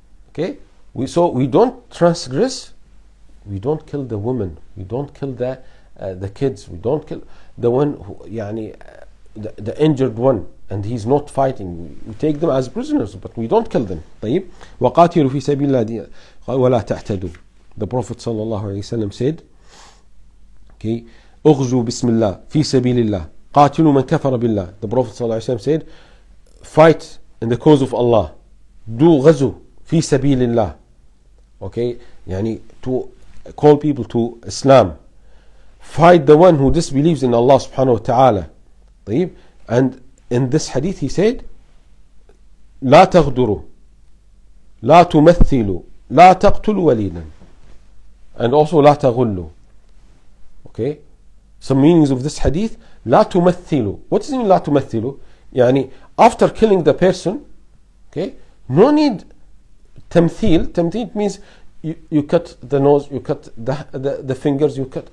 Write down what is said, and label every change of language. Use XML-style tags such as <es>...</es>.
<en>Okay, we don't transgress. We don't kill the woman. We don't kill the kids. We don't kill the one who, the injured one, and he's not fighting. We take them as prisoners, but we don't kill them.</en> <ar>طيب وقاتلوا في سبيل الله ولا تعتدوا.</ar> <en>The Prophet</en> <ar>صلى الله عليه وسلم</ar> <en>said. Okay,</en> <ar>أغزو بسم الله في سبيل الله قاتلوا من كفر بالله.</ar> <en>The Prophet</en> <ar>صلى الله عليه وسلم</ar> <en>said, fight in the cause of Allah.</en> <ar>Do غزو في سبيل الله.</ar> <en>Okay, يعني to call people to Islam. Fight the one who disbelieves in Allah</en> <ar>سبحانه وتعالى. طيب.</ar> <en>And in this hadith he said,</en> <ar>لا تغدروا لا تمثلوا لا تقتلوا وليدا.</ar> <en>And also</en> <ar>لا تغلوا.</ar> <en>Okay, some meanings of this hadith.</en> <ar>لا تمثلوا.</ar> <en>What does it mean</en> <ar>لا تمثلوا?</ar> <en>يعني after killing the person, okay, no need تمثيل. تمثيل means you cut the nose, you cut the fingers, you cut.</en>